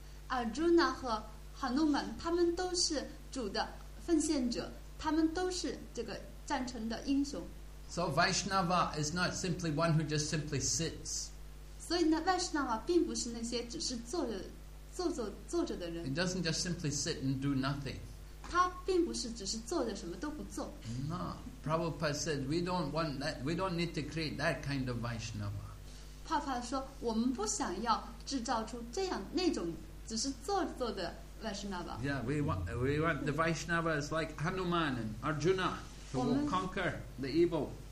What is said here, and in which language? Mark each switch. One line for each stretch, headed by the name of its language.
Chinese: Arjuna 和 Hanuman, 他们都是主的奉献者，他们都是这个战争的英雄。
English: So Vaishnava is not simply one who just simply sits.
Chinese: 所以呢 Vaishnava 并不是那些只是坐着的人。
English: He doesn't just simply sit and do nothing.
Chinese: 他并不是只是坐着什么都不做。
English: No, Prabhupada said, we don't need to create that kind of Vaishnava.
Chinese: 帕帕说我们不想要制造出这样那种只是坐着的 Vaishnava.
English: Yeah, we want the Vaishnavas like Hanuman and Arjuna to conquer the evil.